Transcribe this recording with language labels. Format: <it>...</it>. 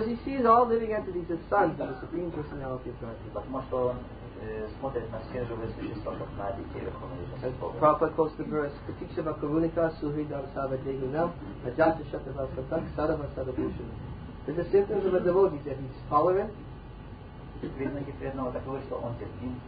<en>Because he sees all living entities as sons of the Supreme Personality of Godhead.</en> <ru>Потому что он смотрит на все живые существа как на детей Верховного Господа.</ru> <en>Prabhupada quotes the verse:</en> <sa>"Pratiksha bhakavunika suhridam sava jagunam ajata shatavasatak sarva sarvabhushanam."</sa> <en>It's the symptoms of a devotee that he's tolerant.</en> <ru>Признаки преданного такого, что он терпим.</ru>